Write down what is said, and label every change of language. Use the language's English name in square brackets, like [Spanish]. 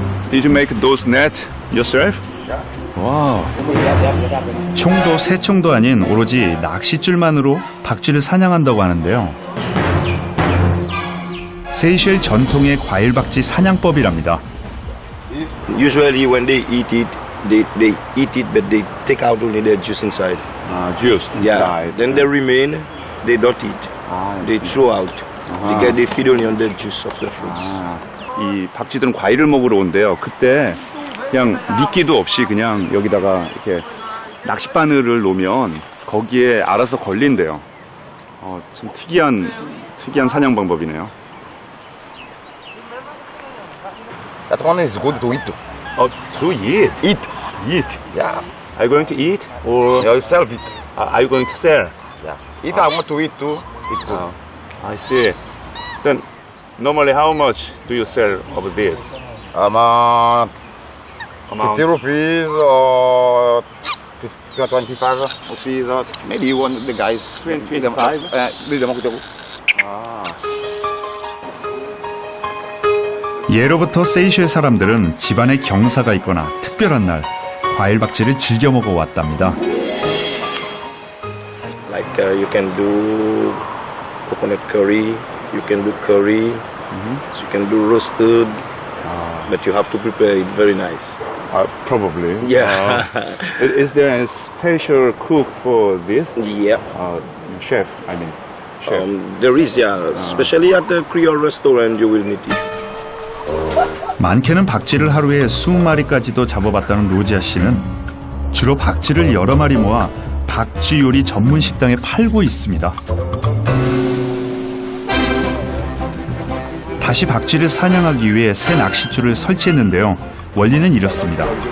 [English] Did you make those net yourself? 와. [Korean] 총도 새총도 아닌 오로지 낚싯줄만으로 박쥐를 사냥한다고 하는데요. 세이셸 전통의 과일 박쥐 사냥법이랍니다. [English] Usually when they eat it, they eat it, but they take out only the juice inside. Juice inside. Yeah. Then they remain, they don't eat. They throw out. They get the feed only on the juice of the fruits. [Korean] 이 박쥐들은 과일을 먹으러 온대요. 그때 그냥 미끼도 없이 그냥 여기다가 이렇게 낚시 바늘을 놓으면 거기에 알아서 걸린대요. 좀 특이한 사냥 방법이네요. [English] That one is good to eat. Oh, to eat? Eat. Eat. Yeah. Are you going to eat? Or yourself eat. Are you going to sell? Yeah. If I want to eat too, it's good. I see. Then, normally how much do you sell of this? About 50 rupees or 25 rupees or maybe you want the guys 25? Yeah. [Korean] 예로부터 세이셸 사람들은 집안에 경사가 있거나 특별한 날 과일 박쥐를 즐겨 먹어 왔답니다. [English] Like you can do coconut curry, you can do curry, you can do roasted, but you have to prepare it very nice. Probably. Yeah. Is there a special cook for this? Yeah. Chef, I mean. Chef. There is, yeah. Especially at the Creole restaurant, you will meet it. [Korean] 많게는 박쥐를 하루에 20마리까지도 잡아봤다는 로지아 씨는 주로 박쥐를 여러 마리 모아 박쥐 요리 전문 식당에 팔고 있습니다. 다시 박쥐를 사냥하기 위해 새 낚싯줄을 설치했는데요. 원리는 이렇습니다.